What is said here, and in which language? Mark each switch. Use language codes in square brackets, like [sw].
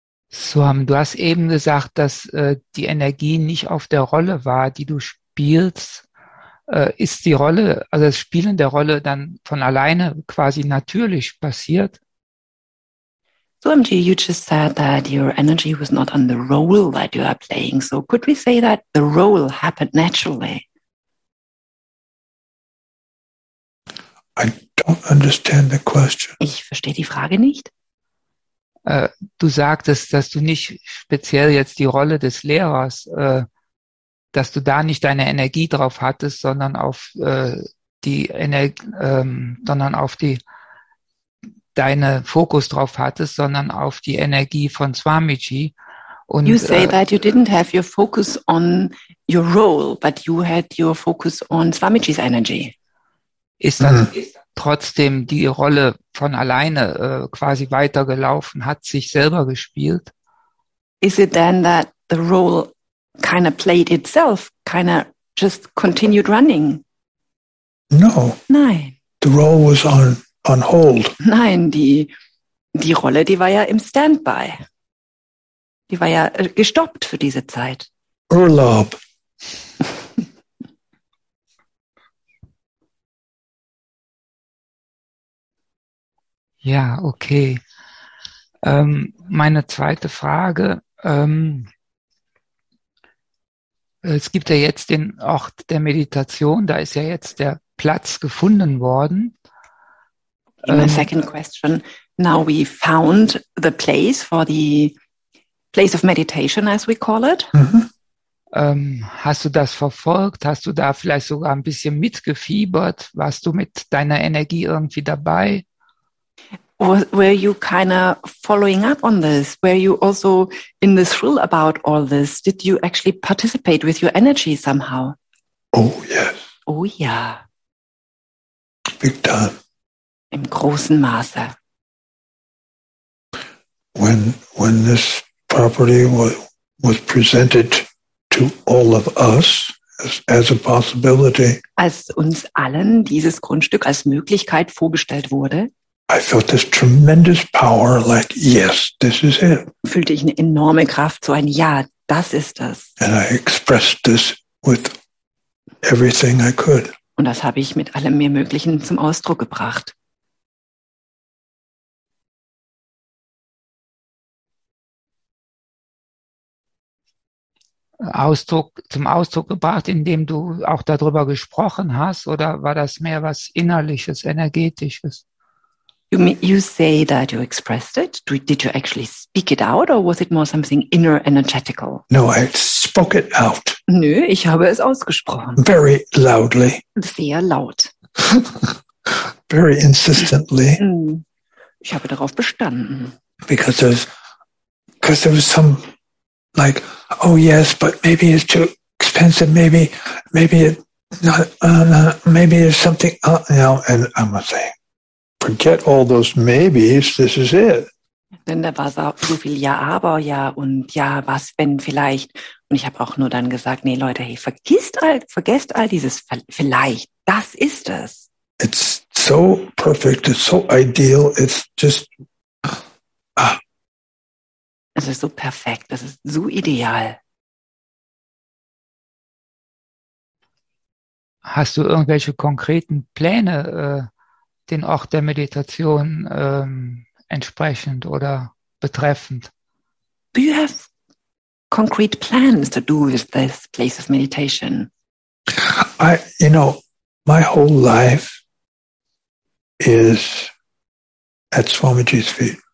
[de] Swam, du hast eben gesagt, dass die Energie nicht auf der Rolle war, die du spielst. Ist die Rolle, also das Spielen der Rolle dann von alleine quasi natürlich passiert? [en] Swam, you just said that your energy was not on the role that you are playing. So could we say that the role happened naturally? I don't understand the question. [de] Ich verstehe die Frage nicht. Du sagtest, dass du nicht speziell jetzt die Rolle des Lehrers, dass du da nicht deine Energie drauf hattest, sondern auf die Energie, sondern auf die deine Fokus drauf hattest, sondern auf die Energie von Swamiji. [en] Und, you say that you didn't have your focus on your role, but you had your focus on Swamiji's energy. [de] Ist dann trotzdem die Rolle von alleine quasi weitergelaufen, hat sich selber gespielt? [en] Is it then that the role kind of played itself, kind of just continued running? No. [de] Nein. [en] The role was on hold. [de] Nein, die Rolle, die war ja im Standby. Die war ja gestoppt für diese Zeit. Urlaub. Ja, okay. Meine zweite Frage. Es gibt ja jetzt den Ort der Meditation. Da ist ja jetzt der Platz gefunden worden. [en] In my second question. Now we found the place for the place of meditation, as we call it. [de] Hast du das verfolgt? Hast du da vielleicht sogar ein bisschen mitgefiebert? Warst du mit deiner Energie irgendwie dabei? [en] Were you kind of following up on this? Were you also in the thrill about all this? Did you actually participate with your energy somehow? Oh, yes. [de] Oh, ja. [en] Big time. [de] Im großen Maße. [en] When this property was presented to all of us as a possibility, [de] als uns allen dieses Grundstück als Möglichkeit vorgestellt wurde, [en] I felt this tremendous power, like, yes, this is it. [de] Fühlte ich eine enorme Kraft, so ein Ja, das ist es. [en] And I expressed this with everything I could. [de] Und das habe ich mit allem mir Möglichen zum Ausdruck gebracht. Zum Ausdruck gebracht, indem du auch darüber gesprochen hast, oder war das mehr was Innerliches, Energetisches? [en] You say that you expressed it. Did you actually speak it out, or was it more something inner, energetical? No, I spoke it out. [de] Nö, ich habe es ausgesprochen. [en] Very loudly. [de] Sehr laut. [en] Very insistently. [de] Ich habe darauf bestanden. [en] Because there was some, like, oh yes, but maybe it's too expensive. Maybe there's something. And I'm gonna say, forget all those maybes, this is it. [de] Denn da war so viel ja, aber, ja, und ja, was, wenn, vielleicht. Und ich habe auch nur dann gesagt, nee, Leute, hey, vergesst all dieses vielleicht, das ist es. [en] It's so perfect, it's so ideal, it's just... [de] Es ist so perfekt, es ist so ideal. Hast du irgendwelche konkreten Pläne, den Ort der Meditation entsprechend oder betreffend? [en] Do you have concrete plans to do with this place of meditation? You know, my whole life is at Swamiji's feet.